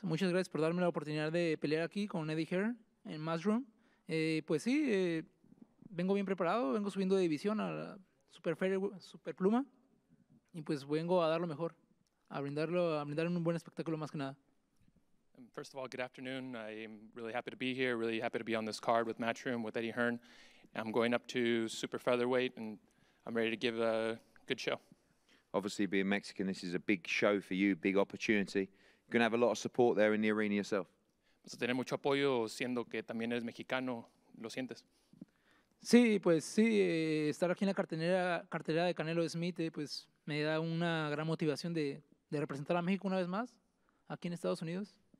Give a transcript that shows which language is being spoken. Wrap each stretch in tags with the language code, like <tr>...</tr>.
<es>Muchas gracias por darme la oportunidad de pelear aquí con Eddie Hearn en Matchroom. Pues sí, vengo bien preparado, vengo subiendo de división a la super pluma y pues vengo a dar lo mejor, a brindar un buen espectáculo más que nada.</es> <en>First of all, good afternoon. I'm really happy to be here, really happy to be on this card with Matchroom, with Eddie Hearn. I'm going up to super featherweight and I'm ready to give a good show. Obviously, being Mexican, this is a big show for you, big opportunity. You're going to have a lot of support there in the arena yourself.</en> <es>Vas a tener mucho apoyo, siendo que también eres mexicano. ¿Lo sientes? Sí, pues sí. Estar aquí en la cartelera de Canelo Smith, pues me da una gran motivación de representar a México una vez más aquí en Estados Unidos.</es>